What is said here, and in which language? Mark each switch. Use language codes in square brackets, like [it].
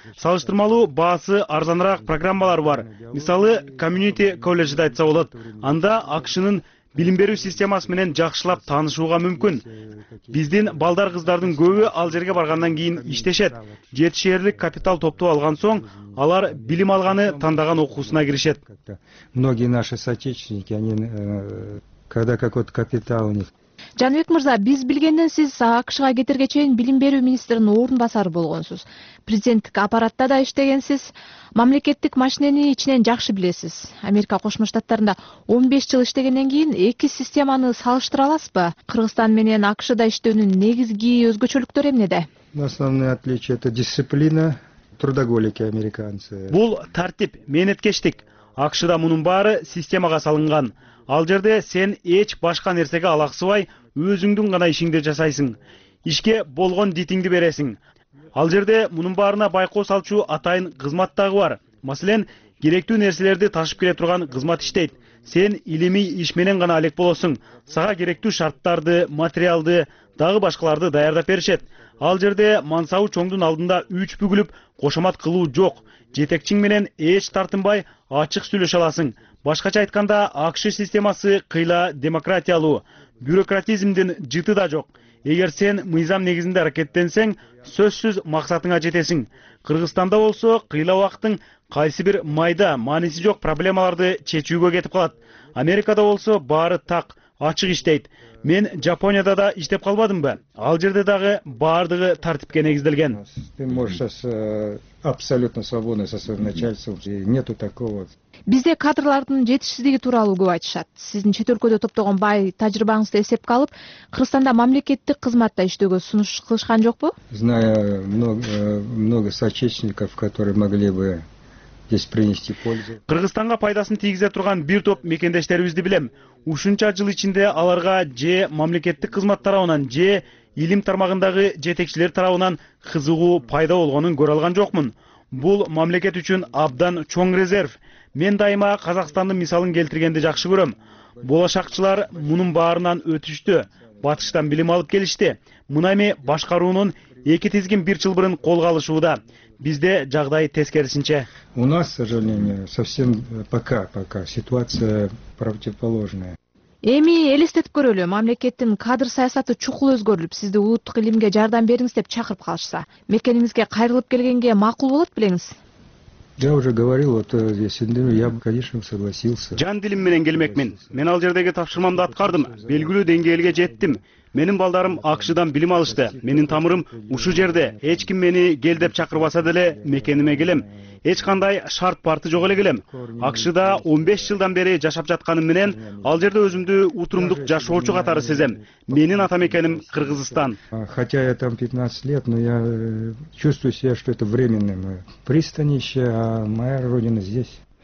[ky] Салыштырмалуу баасы арзаныраак программалар бар. Мисалы, Community College'де айтса болот. Анда АКШнын билим берүү системасы менен жакшылап таанышууга мүмкүн. Биздин балдар кыздардын көбү ал жерге баргандан кийин иштешет. Жетишерлик капитал топтоп алган соң, алар билим алганы тандаган окуусуна киришет. [ru] Многие наши соотечественники, они когда какой-то капитал у них. [ky] Жаныбек мырза, биз билгенден сиз АКШга кетерге чейин билим берүү министринин орун басары болгонсуз. Президенттик аппаратта да иштегенсиз. Мамлекеттик машинени ичинен жакшы билесиз. Америка Кошмо Штаттарында 15 жыл иштегенден кийин эки системаны салыштыра аласызбы? Кыргызстан менен АКШда иштөөнүн негизги өзгөчөлүктөрү эмнеде? [ru] Основное отличие это дисциплина, трудоголики американцы. [ky] Бул тартип, мээнеткечтик. АКШда мунун баары системага салынган. Ал жерде сен эч башка нерсеге алаксыбай өзүңдүн гана ишиңди жасайсың. Ишке болгон дитиңди бересиң. Ал жерде мунун баарына байкоо салчу атайын кызмат дагы бар. Маселен, керектүү нерселерди ташып келе турган кызмат иштейт. Сен илимий иш менен гана алек болосуң. Сага керектүү шарттарды, материалды, дагы башкаларды даярдап беришет. Ал жерде мансабы чоңдун алдында үч бүгүлүп кошомат кылуу жок. Жетекчиң менен эч тартынбай ачык сүйлөшө аласың. Башкача айтканда, АКШ системасы кыйла демократиялуу, бюрократизмдин жыты да жок. Эгер сен мыйзам негизинде аракеттенсең, сөзсүз максатыңа жетесиң. Кыргызстанда болсо, кыйла убактың кайсы бир майда, мааниси жок проблемаларды чечүүгө кетип калат. Америкада болсо, баары так, ачык иштейт. Мен Жапонияда да иштеп калбадымбы? Ал жерде дагы баардыгы тартипке негизделген. [ru] Ты можешь сейчас абсолютно свободно со своим начальством, нету такого. [ky] Бизде кадрлардын жетишсиздиги тууралуу көп айтышат. Сиздин чет өлкөдө топтогон бай тажрыйбаңызды эсепке алып, Кыргызстанда мамлекеттик кызматта иштөөгө сунуш кылышкан жокпу? [ru] Знаю много соотечественников, которые могли бы здесь принести пользу. [ky] Кыргызстанга пайдасын тийгизе турган бир топ мекендештерибизди билем. Ушунча жыл ичинде аларга же мамлекеттик кызмат тарабынан же илим тармагындагы жетекчилер тарабынан кызыгуу пайда болгонун көрө алган жокмун. Бул мамлекет үчүн абдан чоң резерв. Мен дайыма Казакстандын мисалын келтиргенди жакшы көрөм. Болошакчылар мунун баарынан өтүштү, батыштан билим алып келишти. Мына эми башкаруунун эки тизгин бир чылбырын колго алышууда. Бизде жагдай тескерисинче. [ru] У нас, к сожалению, совсем пока ситуация противоположная. [ky] Эми элестетип көрөлү, мамлекеттин кадр саясаты чукул өзгөрүлүп, сизди улуттук илимге жардам бериңиз деп чакырып калышса, мекениңизге кайрылып келгенге макул болот белеңиз? [ru] Я уже говорил, вот Сендер, я бы, конечно, согласился. [ky] Жан дилим менен келмекмин. Мен ал жердеги тапшырмамды аткардым. Белгилүү деңгээлге жеттим. Менин балдарым АКШ-дан билим алышты. Менин тамырым ушу жерде. Эч ким мени кел деп чакырбаса деле мекениме келем. Эч кандай шарт парты жок эле келем. АКШ-да 15 жылдан бери жашап жатканым менен ал жерде өзүмдү утурумдук жашоочу катары сезем. Менин ата мекеним Кыргызстан. [ru] Хотя я там 15 лет, но я чувствую себя, что это временное мое пристанище, а моя родина здесь.